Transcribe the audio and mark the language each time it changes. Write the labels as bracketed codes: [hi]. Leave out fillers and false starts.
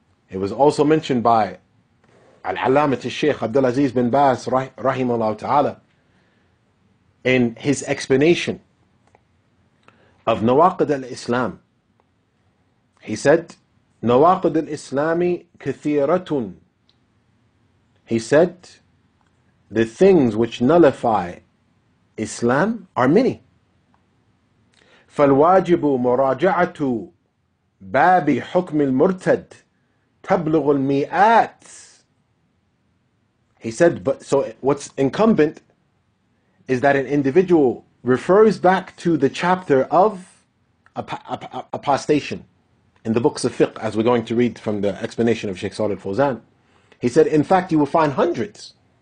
[en] It was also mentioned by Al-Allamah al-Shaykh Abdulaziz bin Baz rahimahullah ta'ala in his explanation of Nawaqid al-Islam. He said, [ar] Nawaqid al-Islami kathiratun. [en] He said, the things which nullify Islam are many. [ar] فالواجب مراجعة باب حكم المرتد تبلغ المئات. [en] He said, but so what's incumbent is that an individual refers back to the chapter of apostation in the books of fiqh, as we're going to read from the explanation of Sheikh Salih al-Fawzan. He said, in fact, you will find hundreds.